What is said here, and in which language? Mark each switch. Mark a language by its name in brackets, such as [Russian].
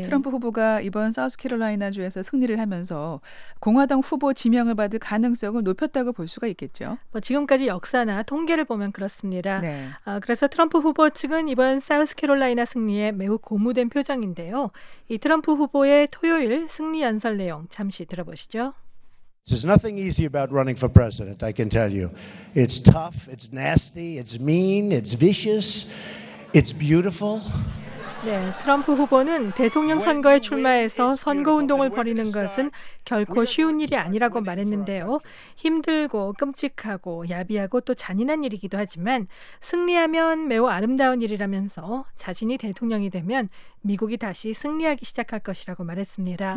[Korean] 트럼프 후보가 이번 사우스캐롤라이나주에서 승리를 하면서 공화당 후보 지명을 받을 가능성을 높였다고 볼 수가 있겠죠. 뭐 지금까지 역사나 통계를 보면 그렇습니다. 네. 아, 그래서 트럼프 후보 측은 이번 사우스캐롤라이나 승리에 매우 고무된 표정인데요. 이 트럼프 후보의 토요일 승리 연설 내용 잠시 들어보시죠. [English] There's nothing easy about running for president, I can tell you. It's tough, it's nasty, it's mean, it's vicious, it's beautiful. [Korean] 네, 트럼프 후보는 대통령 선거에 출마해서 선거운동을 벌이는 것은 결코 쉬운 일이 아니라고 말했는데요. 힘들고 끔찍하고 야비하고 또 잔인한 일이기도 하지만 승리하면 매우 아름다운 일이라면서 자신이 대통령이 되면 미국이 다시 승리하기 시작할 것이라고 말했습니다.